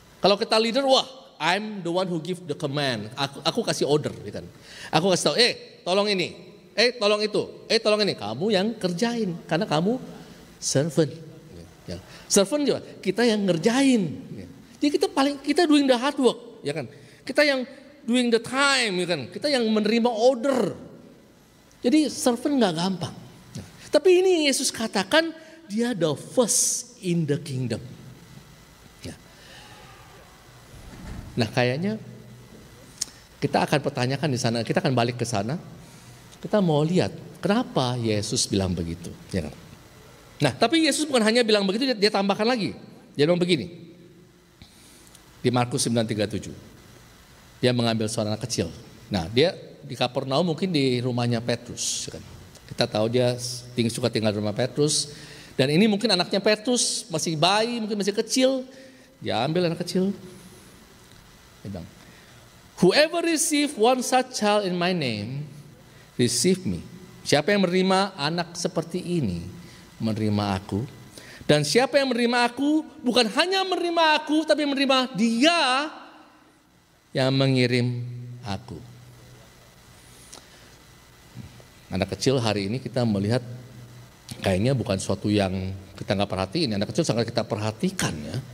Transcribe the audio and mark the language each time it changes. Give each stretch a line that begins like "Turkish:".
Indonesian: Kalau kita leader, wah,
English: I'm the one who give the command.
Indonesian: Aku kasih order. Ya kan? Aku kasih tahu, tolong ini. Tolong itu. Tolong ini. Kamu yang kerjain, karena kamu servant. Ya. Servant juga, kita yang ngerjain. Jadi kita paling kita
English: doing the hard work,
Indonesian: ya kan? Kita yang
English: doing the time,
Indonesian: ya kan? Kita yang menerima order. Jadi servant nggak gampang. Ya. Tapi ini Yesus katakan dia
English: the first in the kingdom.
Indonesian: Ya. Nah kayaknya kita akan pertanyakan di sana, kita akan balik ke sana, kita mau lihat kenapa Yesus bilang begitu, ya kan? Nah, tapi Yesus bukan hanya bilang begitu, dia tambahkan lagi. Dia bilang begini. Di Markus 9:37. Dia mengambil seorang anak kecil. Nah, dia di Kapernaum mungkin di rumahnya Petrus, kan. Kita tahu dia suka tinggal di rumah Petrus. Dan ini mungkin anaknya Petrus, masih bayi, mungkin masih kecil. Dia ambil anak kecil. Dia bilang,
English: "Whoever receive one such child in my name, receive me."
Indonesian: Siapa yang menerima anak seperti ini, menerima aku, dan siapa yang menerima aku, bukan hanya menerima aku, tapi menerima dia yang mengirim aku. Anak kecil hari ini kita melihat kayaknya bukan suatu yang kita gak perhatiin, anak kecil sangat kita perhatikan ya.